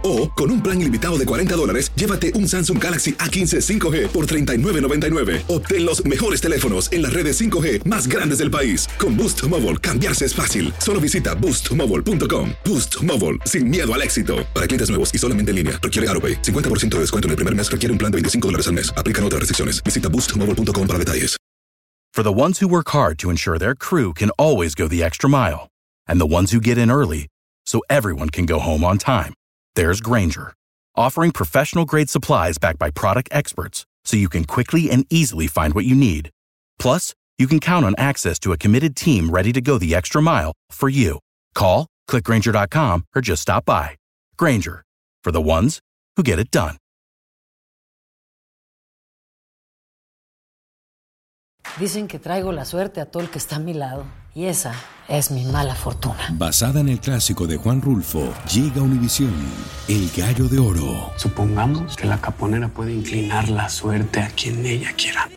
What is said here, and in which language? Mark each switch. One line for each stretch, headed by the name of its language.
Spanish: O, con un plan ilimitado de $40, llévate un Samsung Galaxy A15 5G por $39.99. Obtén los mejores teléfonos en las redes 5G más grandes del país. Con Boost Mobile, cambiarse es fácil. Solo visita BoostMobile.com. Boost Mobile, sin miedo al éxito. Para clientes nuevos y solamente en línea, requiere AutoPay. 50% de descuento en el primer mes requiere un plan de $25 al mes. Aplican otras restricciones. Visita BoostMobile.com para detalles.
English: For the ones who work hard to ensure their crew can always go the extra mile, and the ones who get in early so everyone can go home on time, there's Grainger, offering professional-grade supplies backed by product experts so you can quickly and easily find what you need. Plus, you can count on access to a committed team ready to go the extra mile for you. Call, click Grainger.com, or just stop by. Grainger, for the ones who get it done.
Spanish: Dicen que traigo la suerte a todo el que está a mi lado. Y esa es mi mala fortuna. Basada en el clásico de Juan Rulfo, llega Univisión, el gallo de oro. Supongamos que la caponera puede inclinar la suerte a quien ella quiera.